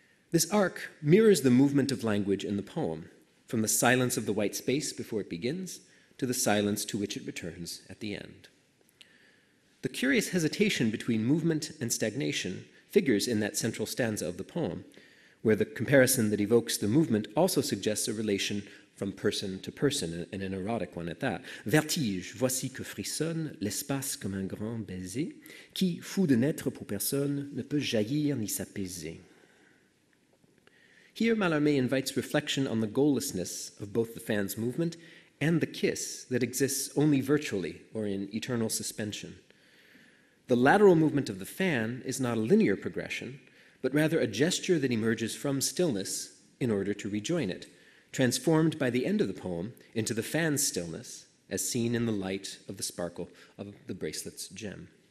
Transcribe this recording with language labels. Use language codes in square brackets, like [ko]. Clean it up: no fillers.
[en] This arc mirrors the movement of language in the poem, from the silence of the white space before it begins to the silence to which it returns at the end. The curious hesitation between movement and stagnation figures in that central stanza of the poem, where the comparison that evokes the movement also suggests a relation from person to person, and an erotic one at that. [fr] Vertige, voici que frissonne l'espace comme un grand baiser, qui, fou de n'être pour personne, ne peut jaillir ni s'apaiser. [en] Here, Mallarmé invites reflection on the goallessness of both the fan's movement and the kiss that exists only virtually or in eternal suspension. The lateral movement of the fan is not a linear progression, but rather a gesture that emerges from stillness in order to rejoin it, transformed by the end of the poem into the fan's stillness, as seen in the light of the sparkle of the bracelet's gem.